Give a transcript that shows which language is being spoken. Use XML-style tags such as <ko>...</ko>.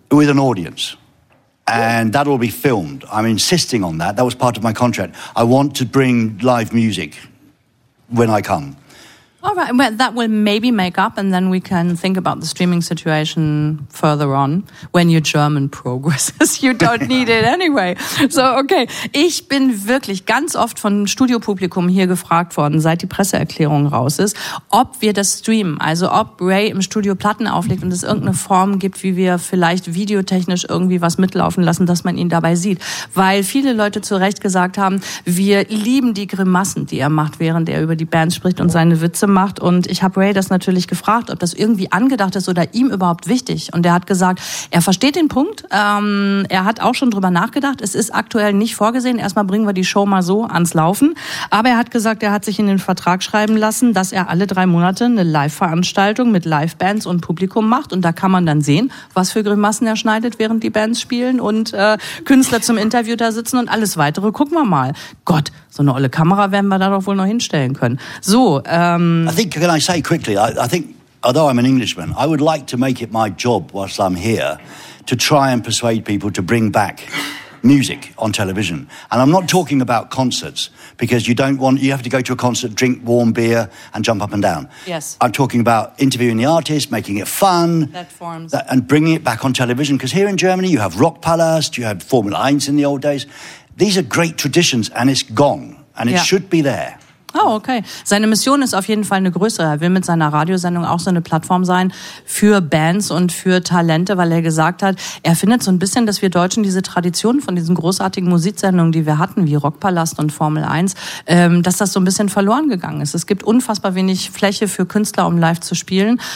<en>With an audience. And that will be filmed. I'm insisting on that. That was part of my contract. I want to bring live music when I come. All right. Well, that will maybe make up, and then we can think about the streaming situation further on when your German progresses. You don't need it anyway. So, okay.</en> <de>Ich bin wirklich ganz oft von Studiopublikum hier gefragt worden, seit die Presseerklärung raus ist, ob wir das streamen. Also, ob Ray im Studio Platten auflegt und es irgendeine Form gibt, wie wir vielleicht videotechnisch irgendwie was mitlaufen lassen, dass man ihn dabei sieht. Weil viele Leute zu Recht gesagt haben, wir lieben die Grimassen, die er macht, während er über die Band spricht und seine Witze macht. Und ich habe Ray das natürlich gefragt, ob das irgendwie angedacht ist oder ihm überhaupt wichtig. Und er hat gesagt, er versteht den Punkt. Er hat auch schon drüber nachgedacht. Es ist aktuell nicht vorgesehen. Erstmal bringen wir die Show mal so ans Laufen. Aber er hat gesagt, er hat sich in den Vertrag schreiben lassen, dass er alle 3 Monate eine Live-Veranstaltung mit Live-Bands und Publikum macht. Und da kann man dann sehen, was für Grimassen er schneidet, während die Bands spielen und Künstler zum Interview da sitzen und alles Weitere. Gucken wir mal. Gott, so eine olle Kamera werden wir da doch wohl noch hinstellen können.</de> <en>So, I think, can I say quickly, I think, although I'm an Englishman, I would like to make it my job whilst I'm here to try and persuade people to bring back music on television. And I'm not talking about concerts, because you have to go to a concert, drink warm beer and jump up and down. Yes. I'm talking about interviewing the artist, making it fun. Platforms. And bringing it back on television, because here in Germany you have Rockpalast, you had Formula 1 in the old days. These are great traditions and it's gone and it should be there. Oh, okay.</en> <de>Seine Mission ist auf jeden Fall eine größere. Er will mit seiner Radiosendung auch so eine Plattform sein für Bands und für Talente, weil er gesagt hat, er findet so ein bisschen, dass wir Deutschen diese Tradition von diesen großartigen Musiksendungen, die wir hatten, wie Rockpalast und Formel 1, dass das so ein bisschen verloren gegangen ist. Es gibt unfassbar wenig Fläche für Künstler, um live zu spielen.</de>